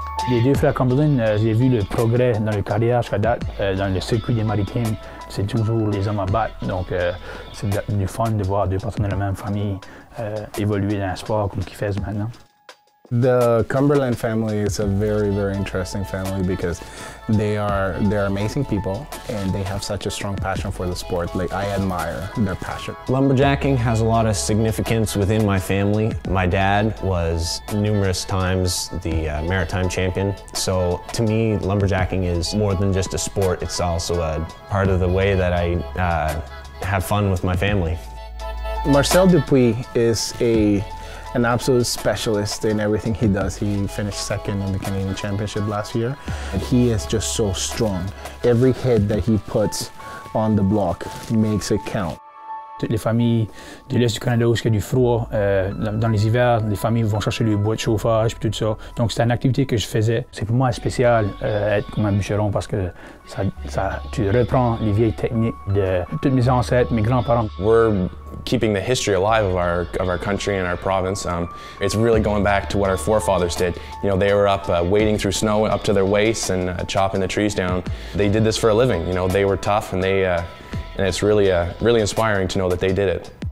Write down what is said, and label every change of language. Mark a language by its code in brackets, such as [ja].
[fr] Les deux frères Cumberland, j'ai vu le progrès dans leur carrière jusqu'à date, dans le circuit des maritimes. C'est toujours les hommes à battre. Donc, c'est du fun de voir deux personnes de la même famille évoluer dans un sport comme qu'ils font maintenant. [en] The Cumberland family is a very, very interesting family because they're amazing people and they have such a strong passion for the sport. Like, I admire their passion. Lumberjacking has a lot of significance within my family. My dad was numerous times the maritime champion. So to me, lumberjacking is more than just a sport. It's also a part of the way that I have fun with my family. Marcel Dupuis is an absolute specialist in everything he does. He finished second in the Canadian Championship last year. And he is just so strong. Every hit that he puts on the block makes it count. [fr] Toutes les familles de l'Est du Canada où il y a du froid, dans les hivers, les familles vont chercher le bois de chauffage et tout ça. Donc c'est une activité que je faisais. C'est pour moi spécial être comme un bûcheron parce que ça, tu reprends les vieilles techniques de toutes mes ancêtres, mes grands-parents. [en] We're keeping the history alive of our country and our province. It's really going back to what our forefathers did. You know, they were up wading through snow up to their waists and chopping the trees down. They did this for a living. You know, they were tough and they and it's really really inspiring to know that they did it.